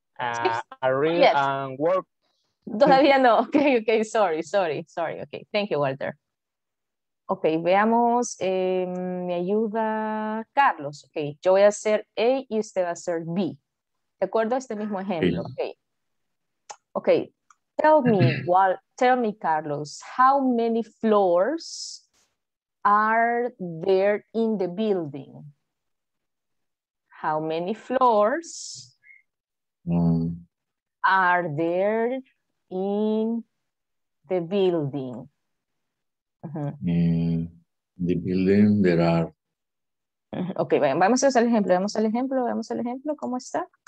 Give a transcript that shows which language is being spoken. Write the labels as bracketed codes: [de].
[en] Yes. Work. [es] Todavía no. [en] Okay, sorry. Okay, thank you, Walter. [es] Ok, veamos, me ayuda Carlos. Ok, yo voy a hacer A y usted va a hacer B. ¿De acuerdo a este mismo ejemplo? [en] Ok, tell me, Carlos, how many floors are there in the building? How many floors are there in the building? In the building there are. [es] Okay, bien, vamos a hacer el ejemplo, vamos al ejemplo, ¿cómo está?